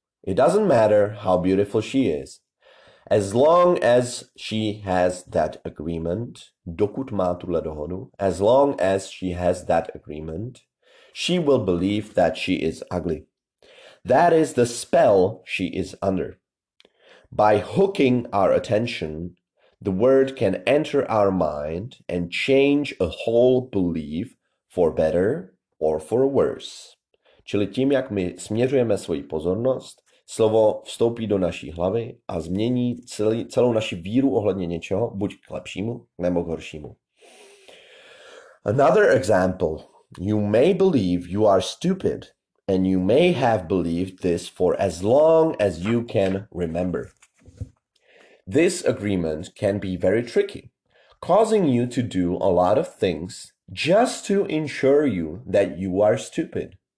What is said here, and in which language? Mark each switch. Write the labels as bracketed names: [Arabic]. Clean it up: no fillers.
[English] It doesn't matter how beautiful she is. As long as she has that agreement, [Czech] dokud má tuhle dohodu, [English] as long as she has that agreement, she will believe that she is ugly. That is the spell she is under. By hooking our attention, the word can enter our mind and change a whole belief for better or for worse. [Czech] Čili tím, jak my směřujeme svoji pozornost, slovo vstoupí do naší hlavy a změní celou naši víru ohledně něčeho, buď k lepšímu, nebo k horšímu. [English] Another example. You may believe you are stupid and you may have believed this for as long as you can remember. This agreement can be very tricky, causing you to do a lot of things just to ensure you that you are stupid.